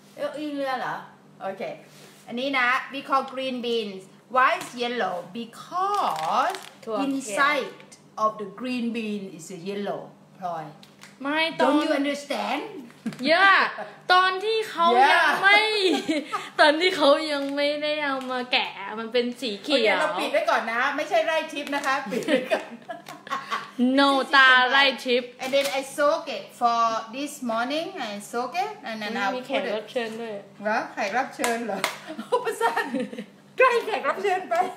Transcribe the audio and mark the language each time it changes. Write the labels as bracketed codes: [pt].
[th] เอออินเดียเหรอโอเคอันนี้นะ [en] we call green beans why is yellow because inside of the green bean is yellow พลอย [th] ไม่ [en] don't you understand [th] yeah ตอนที่เขายังไม่ตอนที่เขายังไม่ได้เอามาแกะมันเป็นสีเขียว เราปิดไว้ก่อนนะไม่ใช่ไร่ทิปนะคะปิดไว้ก่อน no ตาไร่ทิป [en] and then I soak it for this morning I soak it and then I'll [th] มีแขกรับเชิญด้วย หรอแขกรับเชิญเหรอประสานใกล้แขกรับเชิญไป